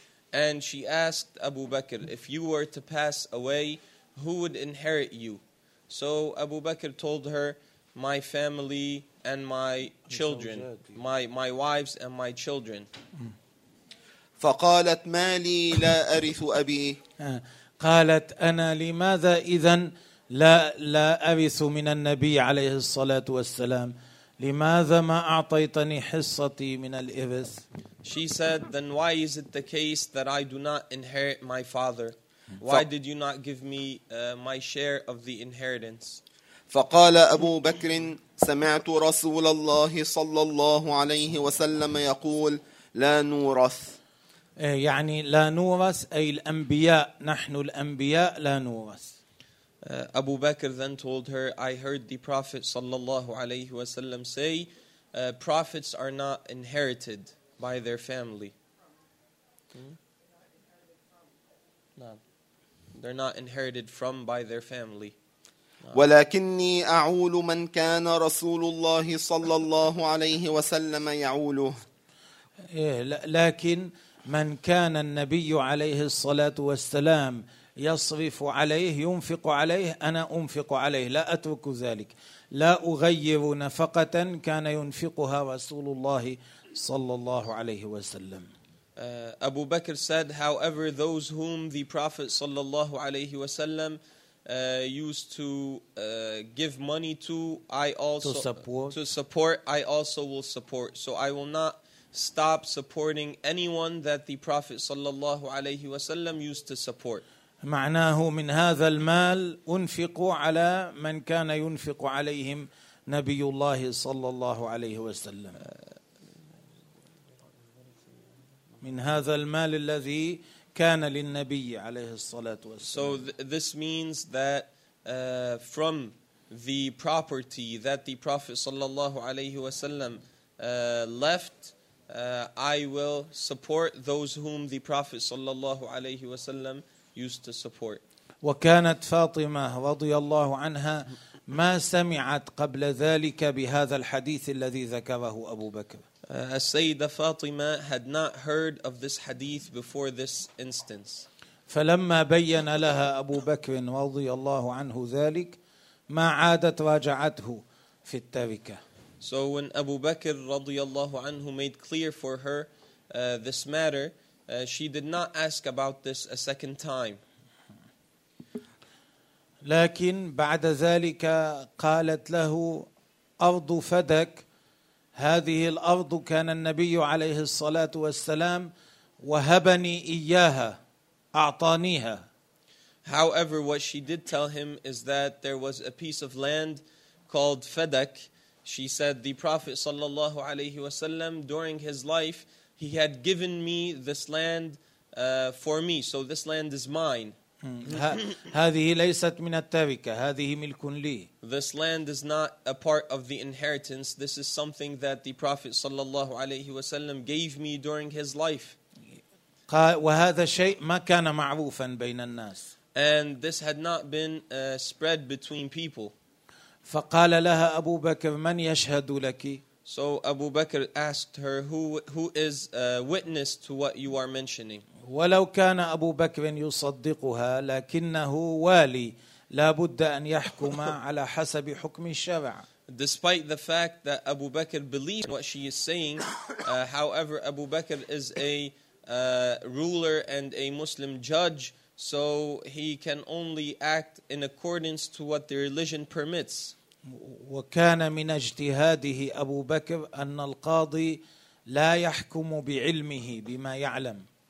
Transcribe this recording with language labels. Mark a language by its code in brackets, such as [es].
[en] And she asked Abu Bakr, if you were to pass away, who would inherit you? So Abu Bakr told her, my family and my children, my wives and my children. [ar] فقالت: مالي لا أرث أبي. قالت: أنا لماذا إذن لا أرث من النبي عليه الصلاة والسلام؟ لماذا ما أعطيتني حصتي من الإرث؟ [en] She said, then why is it the case that I do not inherit my father? Why did you not give me my share of the inheritance? [ar] فقال أبو بكر: سمعت رسول الله صلى الله عليه وسلم يقول: لا نورث. يعني لا نورث، أي الأنبياء، نحن الأنبياء لا نورث. [en] أبو بكر then told her, I heard the Prophet صلى الله عليه وسلم say, prophets are not inherited by their family. They're not inherited from by their family. [ar] ولكني أعول من كان رسول الله صلى الله عليه وسلم يعوله. لكن من كان النبي عليه الصلاة والسلام يصرف عليه، ينفق عليه، أنا أنفق عليه، لا أترك ذلك، لا أغير نفقة كان ينفقها رسول الله صلى الله عليه وسلم. [en] أبو بكر said, however, those whom the Prophet صلى الله عليه وسلم used to give money to, I also to support, I also will support. So I will not stop supporting anyone that the Prophet sallallahu alayhi wa sallam used to support. [ar] معناه من هذا المال أنفق على من كان ينفق عليهم نبي الله صلى الله عليه وسلم. من هذا المال الذي كان للنبي عليه الصلاة والسلام. [en] So this means that from the property that the Prophet sallallahu alayhi wa sallam left, I will support those whom the Prophet sallallahu alayhi wa sallam used to support. [ar] وكانت فاطمة رضي الله عنها ما سمعت قبل ذلك بهذا الحديث الذي ذكره أبو بكر. [en] السيدة فاطمة had not heard of this hadith before this instance. [ar] فلما بين لها أبو بكر رضي الله عنه ذلك ما عادت راجعته في التركة. [en] So when Abu Bakr رضي الله عنه made clear for her this matter, she did not ask about this a second time. [ar] لكن بعد ذلك قالت له: أرض فدك، هذه الأرض كان النبي عليه الصلاة والسلام وهبني إياها، أعطانيها. [en] However, what she did tell him is that there was a piece of land called Fadak. She said the Prophet sallallahu alayhi wasallam during his life He had given me this land for me, so this land is mine. [ar] هذه ليست من التركة، هذه ملك لي. [en] This land is not a part of the inheritance. This is something that the Prophet صلى الله عليه وسلم gave me during his life. [ar] وهذا شيء ما كان معروفا بين الناس. [en] And this had not been spread between people. [ar] فقال لها أبو بكر من يشهد لك؟ [en] So Abu Bakr asked her, "Who is witness to what you are mentioning?" [ar] ولو كان أبو بكر يصدقها لكنه والي لا بد أن يحكم على حسب حكم الشرع. [en] Despite the fact that Abu Bakr believes what she is saying, however, Abu Bakr is a ruler and a Muslim judge, so he can only act in accordance to what the religion permits. [ar] وكان من اجتهاده أبو بكر أن القاضي لا يحكم بعلمه بما يعلم.